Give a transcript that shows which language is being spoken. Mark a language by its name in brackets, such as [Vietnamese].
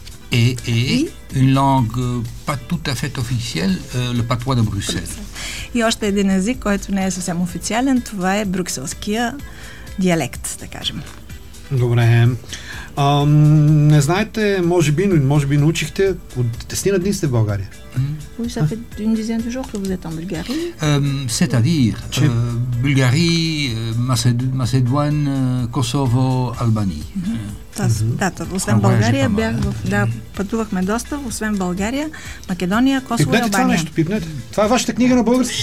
[French] Et une langue pas tout à fait officielle, le patois de Bruxelles. [Bulgarian] И още един език, който не е съвсем официален, това е брюкселския диалект, да кажем. Добре. Не знаете, може би, но може би научихте, от десетина дни сте в България. [French] Oui, ça fait une dizaine de jours que vous êtes en Bulgarie. C'est-à-dire, Bulgarie, Macédoine, Kosovo, Albanie. [Bulgarian] Освен България, пътувахме доста, освен България, Македония, Косово и Албания. Пипнете това нещо, пипнете. Това е вашата книга на български?